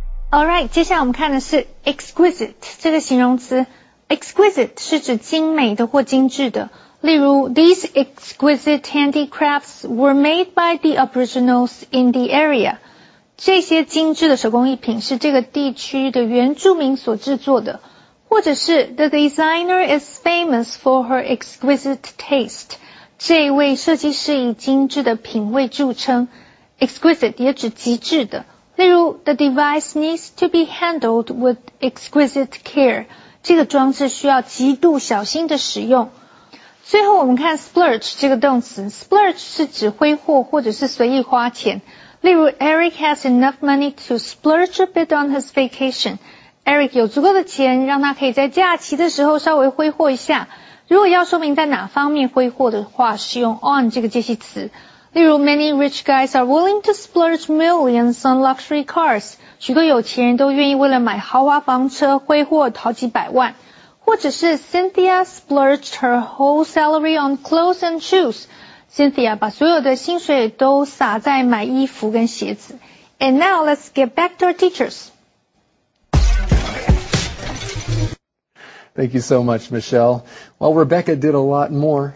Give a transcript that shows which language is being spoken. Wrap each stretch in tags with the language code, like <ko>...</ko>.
<en>All right,</en> <zh>接下来我们看的是 exquisite 这个形容词。 Exquisite 是指精美的或精致的。例如</zh> <en>,these exquisite handicrafts were made by the aboriginals in the area.</en> <zh>这些精致的手工艺品是这个地区的原住民所制作的。或者是</zh> <en>,the designer is famous for her exquisite taste.</en> <zh>这位设计师以精致的品味著称。 Exquisite 也指极致的。例如</zh> <en>,the device needs to be handled with exquisite care.</en> <zh>这个装置需要极度小心的使用。最后我们看 splurge 这个动词。splurge 是指挥霍或者是随意花钱。例如 ,</zh> <en>Eric has enough money to splurge a bit on his vacation.</en> <zh>Eric 有足够的钱让他可以在假期的时候稍微挥霍一下。如果要说明在哪方面挥霍的话，是用 on 这个介系词。例如</zh> <en>，Many rich guys are willing to splurge millions on luxury cars.</en> <zh>许多有钱人都愿意为了买豪华房车挥霍好几百万。或者是</zh> <en>Cynthia splurged her whole salary on clothes and shoes.</en> <zh>Cynthia 把所有的薪水都撒在买衣服跟鞋子。</zh> <en>And now let's get back to our teachers. Thank you so much, Michelle. Well, Rebecca did a lot more.</en>